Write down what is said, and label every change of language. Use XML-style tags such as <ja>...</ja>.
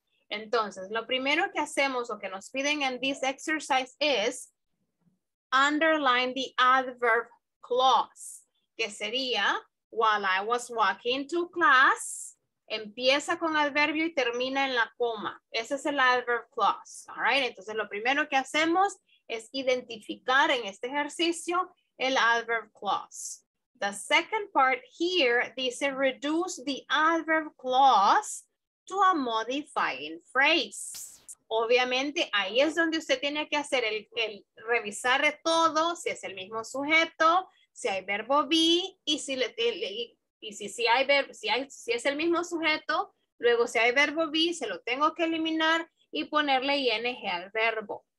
<es>Entonces, lo primero que hacemos o que nos piden en</es> <en>this exercise</en> <es>es</es> <en>underline the adverb clause,</en> <es>que sería,</es> <en>while I was walking to class,</en> <es>empieza con adverbio y termina en la coma. Ese es el</es> <en>adverb clause, all right?</en> <es>Entonces, lo primero que hacemos es identificar en este ejercicio el adverb clause.</es> <en>The second part here</en> <es>dice</es> <en>reduce the adverb clause to a modifying phrase.</en> <es>Obviamente ahí es donde usted tiene que hacer el revisar de todo, si es el mismo sujeto, si hay verbo be y si es el mismo sujeto, luego si hay verbo be se lo tengo que eliminar y ponerle ing al verbo.</es>